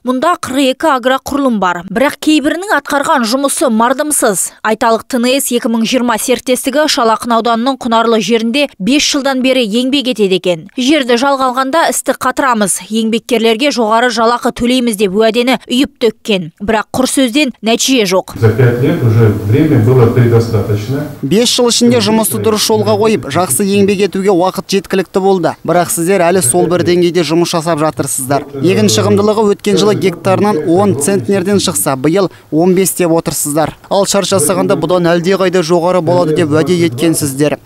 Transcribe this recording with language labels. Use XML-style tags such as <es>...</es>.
<kk>Мұнда 42 агроқұрылым бар. Бірақ кейбірінің атқарған жұмысы мардымсыз. Айталық ТНС 2020 серіктестігі Шалақын ауданының құнарлы жерінде 5 жылдан бері еңбек етеді екен. Жерді жалға алғанда істі қатырамыз, еңбеккерлерге жоғары жалақы төлейміз деп уәдені үйіп төккен. Бірақ құр сөзден нәтиже жоқ.</kk> <ru>За 5 лет уже время было предостаточно.</ru> <kk>5 жыл ішінде жұмысты дұрыс жолға қойып, жақсы еңбек етуге уақыт жеткілікті болды. Бірақ сіздер әлі сол бір деңгейде жұмыс жасап жатырсыздар. Егін шығымдылығы өткен жылы гектарынан 10 центнерден шықса, биыл 15 деп отырсыздар. Ал шаршы жасағанда бұдан әлдеқайда жоғары болады деп уәде еткенсіздер.</kk>